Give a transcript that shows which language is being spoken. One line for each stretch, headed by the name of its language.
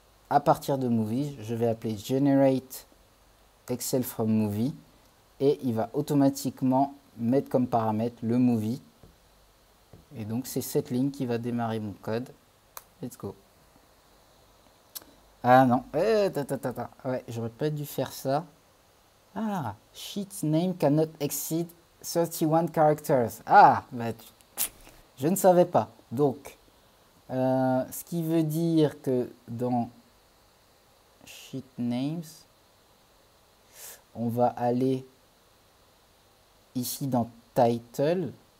French: À partir de movies, je vais appeler generate Excel from movie. Et il va automatiquement mettre comme paramètre le movie. Et donc, c'est cette ligne qui va démarrer mon code.
English: Let's go.
French: Ah non. Ouais, j'aurais pas dû faire ça.
English: Ah, sheet name cannot exceed 31 characters.
French: Ah, bah, je ne savais pas. Donc, ce qui veut dire que dans sheet names, on va aller ici dans title.